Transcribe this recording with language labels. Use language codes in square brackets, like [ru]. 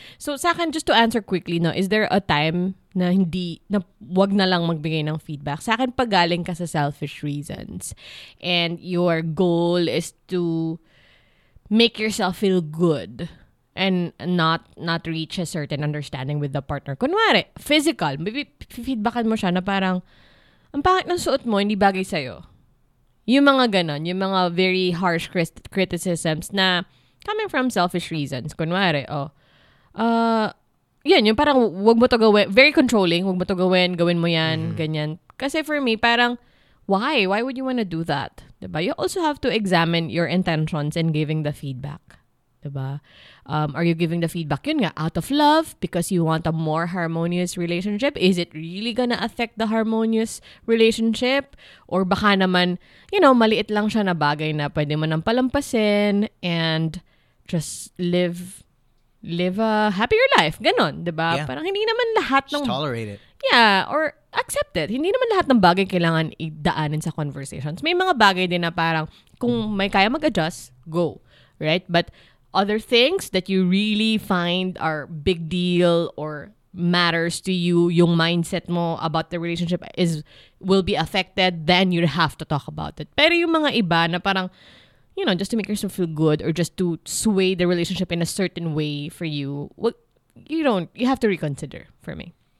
[en] So [tl] sa akin, [en] just to answer quickly, no, is there a time [tl] na hindi, na wag na lang magbigay ng [en] feedback? [tl] Sa akin, pagaling ka sa [en] selfish reasons and your goal is to make yourself feel good and not reach a certain understanding with the partner. [tl] Kunwari, physical, maybe feedbackan mo siya na parang, ang pangit ng suot mo, hindi bagay sa'yo. Yung mga ganon, yung mga [en] very harsh criticisms na coming from selfish reasons. [tl] Kunwari, yan, yung parang huwag mo to gawin, [en] very controlling, [tl] huwag mo to gawin mo yan, ganyan. Kasi [en] for me, [tl] parang, [en] why? Why would you wanna do that? [tl] Diba? [en] You also have to examine your intentions in giving the feedback. Diba? Are you giving the feedback, [tl] yun nga, [en] out of love because you want a more harmonious relationship? Is it really gonna affect the harmonious relationship? [tl] Or baka naman, [en] you know, [tl] maliit lang siya na bagay na pwede mo nang palampasin [en] and just live a happier life. [tl] Ganon, diba? [en] Yeah. [tl] Parang hindi naman lahat ng... [en] just tolerate it. Yeah, or accept it. [tl] Hindi naman lahat ng bagay kailangan idaanin sa conversations. May mga bagay din na parang kung may kaya mag-adjust, go. [en] Right? But other things that you really find are big deal or matters to you, [tl] yung mindset mo [en] about the relationship will be affected, then you have to talk about it. [tl] Pero yung mga iba na parang, [en] you know, just to make yourself feel good or just to sway the relationship in a certain way for you, well, you have to reconsider for me.